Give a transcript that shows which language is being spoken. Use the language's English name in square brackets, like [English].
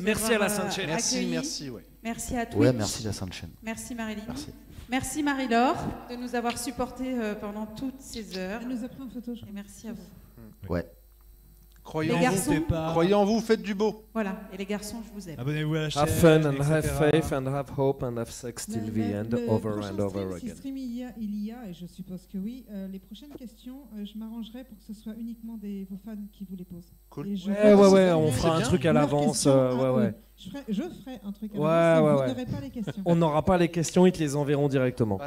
[French] merci avoir à la Sainte Chaîne. Accueilli. Merci, merci. Ouais. Merci à tous. Ouais, merci la Sainte Chaîne. Merci Marilyn. Merci. Merci Marie-Laure de nous avoir supporté pendant toutes ces heures. Elle nous a pris en photo. Je et merci à vous. Ouais. Croyez en vous, croyez en vous, faites du beau. Voilà, et les garçons, je vous aime. Abonnez-vous à la chaîne. [English] Have fun and have faith and have hope and have sex till the end, over and over again. [French] Si stream il y a, et je suppose que oui, les prochaines questions, je m'arrangerai pour que ce soit uniquement vos fans qui vous les posent. Cool. Ouais, on fera un truc à l'avance. Je ferai un truc à l'avance. Ouais, vous n'aurez pas les questions. On n'aura pas les questions, ils te les enverront directement.